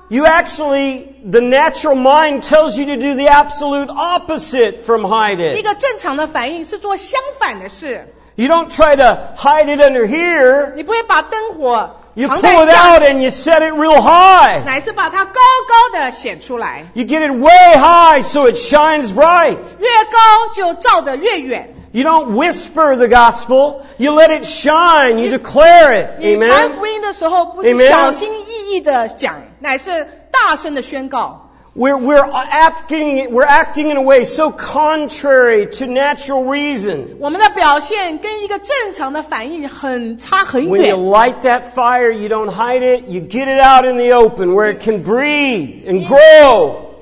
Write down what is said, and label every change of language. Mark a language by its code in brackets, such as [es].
[en] You actually, the natural mind tells you to do the absolute opposite from hide it. [zh] 一个正常的反应是做相反的事。 [en] You don't try to hide it under here. [zh] 你不会把灯火 [en] You pull it out and you set it real high. [zh] 乃是把它高高的显出来。 [en] You get it way high so it shines bright. [zh] 越高就照得越远。 [en] You don't whisper the gospel. You let it shine. You declare it. Amen. [zh] 你传福音的时候不是小心翼翼的讲，乃是大声的宣告。 [en] We're acting in a way so contrary to natural reason. When you light that fire, you don't hide it, you get it out in the open where it can breathe and grow.